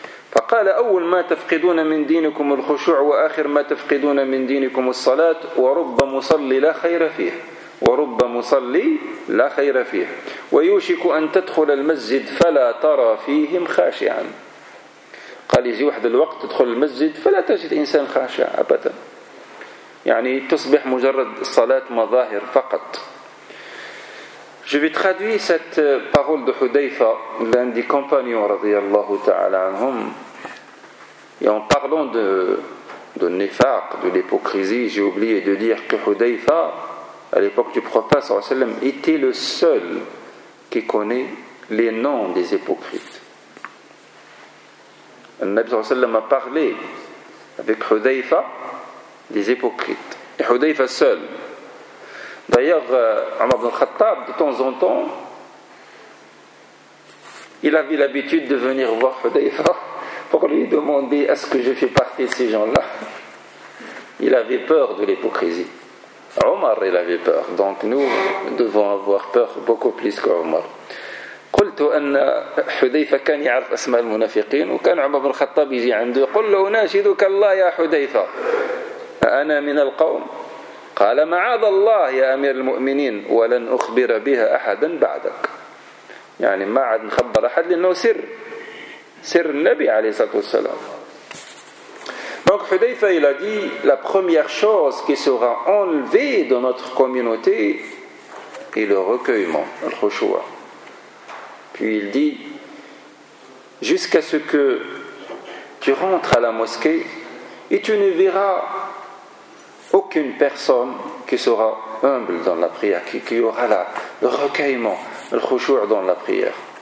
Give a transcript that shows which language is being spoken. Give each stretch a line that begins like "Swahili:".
Arabic: فقال أول ما تفقدون من دينكم الخشوع وآخر ما تفقدون من دينكم الصلاة ورب مصلي لا خير فيه ورب مصلي لا خير فيه ويوشك أن تدخل المسجد فلا ترى فيهم خاشعا. قال يجي واحد الوقت تدخل المسجد فلا تجد إنسان خاشع أبدا، يعني تصبح مجرد صلاة مظاهر فقط.
French: Je vais traduire cette parole de Hudayfa, l'un des compagnons,
Arabic: radiyallahu ta'ala anhum.
French: Et en parlant de nifaq, de l'hypocrisie, j'ai oublié de dire que Hudayfa, à l'époque du prophète, était le seul qui connaît les noms des hypocrites. Le Nabi a parlé avec Hudayfa des hypocrites. Et Hudayfa seul. D'ailleurs, Omar ibn Khattab, de temps en temps, il avait l'habitude de venir voir Hudayfa pour lui demander « Est-ce que je fais partie de ces gens-là » Il avait peur de l'hypocrisie. Omar, il avait peur. Donc nous devons avoir peur beaucoup plus qu'Omar.
Arabic: قلت أن حذيفة كان يعرف أسماء المنافقين وكان عمر بن الخطاب يجي عنده قل له ناشدك الله يا حذيفة أأنا من القوم؟ قال معاذ الله يا أمير المؤمنين ولن أخبر بها أحدا بعدك، يعني ما عاد نخبر أحد لأنه سر، سر النبي عليه الصلاة والسلام.
French: Donc حذيفة il a dit la première chose qui sera enlevée de notre communauté est le recueillement, le khushu. Puis il dit, jusqu'à ce que tu rentres à la mosquée et tu ne verras aucune personne qui sera humble dans la prière, qui aura là le recueillement, le khushu' dans la prière.